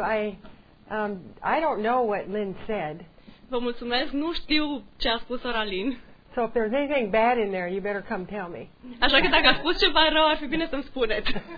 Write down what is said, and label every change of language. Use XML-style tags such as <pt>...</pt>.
<en>I don't know what Lynn said.</en> <ro>Vă mulțumesc, nu știu ce a spus sora Lynn.</ro> <en>So if there's anything bad in there, you better come tell me.</en> <ro>Așa că dacă a spus ceva rău, ar fi bine să-mi spuneți.</ro>